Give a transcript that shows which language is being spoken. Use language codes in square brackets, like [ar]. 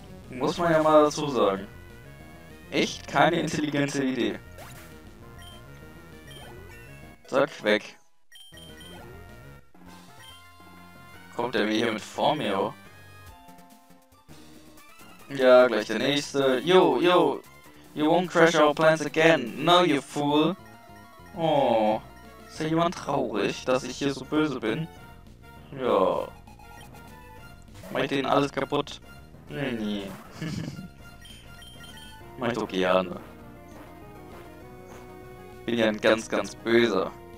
[de] Muss man ja mal dazu sagen. Echt keine intelligente Idee. Zack, weg. Kommt der mir hier mit Formeo? Ja, gleich der nächste. Yo, yo! [en] You won't crash our plans again, no you fool! [de] Oh, ist ja jemand traurig, dass ich hier so böse bin? Ja. Mach ich denen alles kaputt? Nee, nee. Mach ich doch gerne. Bin ja ein ganz, ganz böser.